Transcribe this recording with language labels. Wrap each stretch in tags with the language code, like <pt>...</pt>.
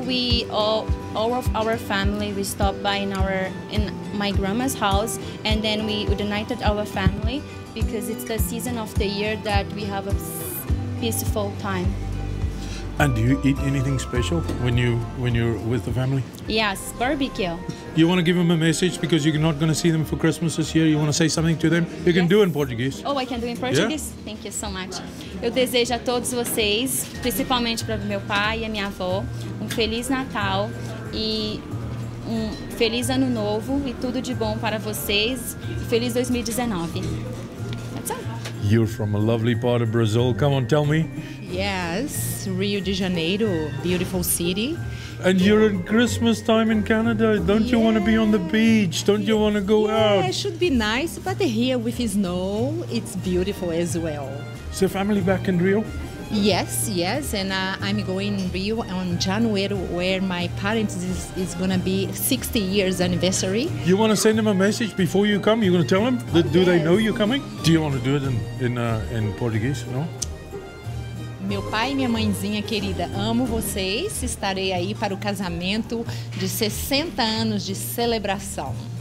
<en>We all of our family, we stop by in my grandma's house, and then we united our family because it's the season of the year that we have a peaceful time. And do you eat anything special when you're with the family? Yes, barbecue. You want to give them a message because you're not going to see them for Christmas this year? You want to say something to them? You can do it in Portuguese. Oh, I can do it in Portuguese? Yeah. Thank you so much.</en> <pt>Eu desejo a todos vocês, principalmente para meu pai e minha avó, Feliz Natal e Feliz Ano Novo e tudo de bom para vocês. Feliz 2019.</pt> <en>You're from a lovely part of Brazil. Come on, tell me. Yes, Rio de Janeiro, beautiful city. And you're in Christmas time in Canada. Don't you want to be on the beach? Don't you want to go out? Yeah, it should be nice, but here with snow, it's beautiful as well. So family back in Rio? Yes, and I'm going to Rio on January where my parents is going to be 60 years anniversary. You want to send them a message before you come? You're going to tell them? Do they know you're coming? Do you want to do it in Portuguese? No?</en> <pt>Meu pai e minha mãezinha querida, amo vocês. Estarei aí para o casamento de 60 anos de celebração.</pt>